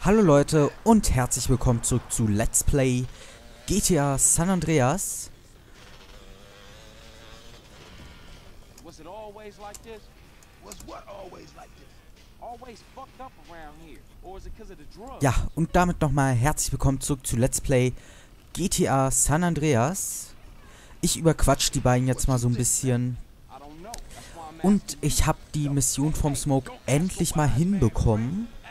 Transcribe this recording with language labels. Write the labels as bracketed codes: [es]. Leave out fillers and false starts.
[de] Hallo Leute und herzlich willkommen zurück zu Let's Play GTA San Andreas. [en] Was it always like this? Was what always like this? Always fucked up around here? Or is it because of the drugs? [de] Ja, und damit nochmal herzlich willkommen zurück zu Let's Play GTA San Andreas. Ich überquatsch die beiden jetzt mal so ein bisschen. Und ich habe die Mission vom Smoke endlich mal hinbekommen.